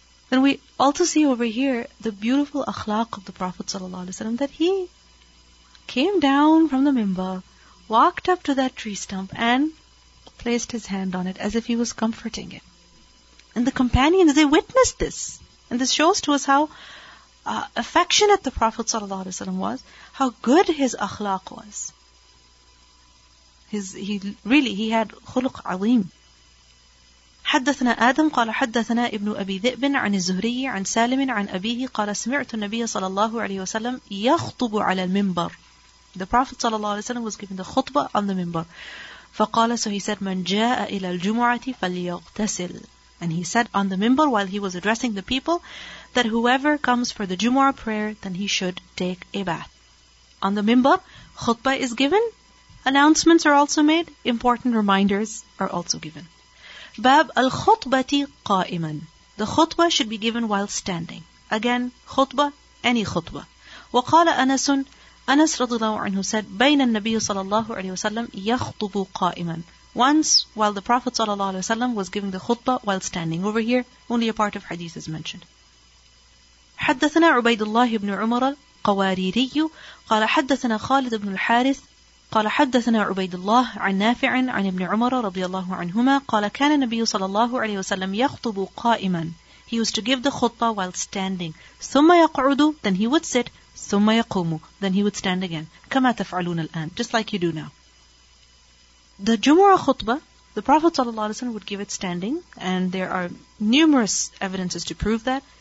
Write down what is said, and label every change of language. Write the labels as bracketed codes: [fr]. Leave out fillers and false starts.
[en] Then we also see over here the beautiful akhlaq of the Prophet ﷺ, that he came down from the mimbar, walked up to that tree stump and placed his hand on it as if he was comforting it. And the companions, they witnessed this. And this shows to us how affectionate the Prophet ﷺ was, how good his akhlaq was. He had khuluq azim. [ar] حدثنا آدم قال حدثنا ابن أبي ذئب عن الزهري عن سالم عن أبيه قال سمعت النبي صلى الله عليه وسلم يخطب على المنبر. [en] The Prophet صلى الله عليه وسلم was giving the khutbah on the minbar. فقال, so he said, [ar] من جاء إلى الجمعة فليغتسل. [en] And he said on the minbar while he was addressing the people that whoever comes for the Jumu'ah prayer, then he should take a bath. On the minbar, khutbah is given, announcements are also made, important reminders are also given. [ar] Bab al-khutbati qa'iman. [en] The khutbah should be given while standing. Again, khutbah, any khutbah. [ar] وَقَالَ أَنَسٌ أَنَسْ رَضِ اللَّهُ عَنْهُ [en] said, [ar] بَيْنَ النَّبِيُّ صَلَى اللَّهُ عَلَيْهُ وَسَلَّمْ يَخْطُبُ قَائِمًا. [en] Once, while the Prophet ﷺ was giving the khutbah while standing. Over here, only a part of hadith is mentioned. [ar] حَدَّثَنَا عُبَيْدُ اللَّهِ بْنُ عُمَرَ الْقَوَارِيرِيُّ قَالَ حَدَّثَنَا خَالِدُ بْنُ الْحَارِثِ قال حدثنا عبيد الله عن نافع عن ابن عمر رضي الله عنهما قال كان النبي صلى الله عليه وسلم يخطب قائما. [en] He used to give the khutbah while standing. [ar] ثم يقعد, [en] then he would sit. [ar] ثم يقوم, [en] then he would stand again. [ar] كما تفعلون الآن, [en] just like you do now. The Jumu'ah khutbah, the Prophet صلى الله عليه وسلم would give it standing, and there are numerous evidences to prove that.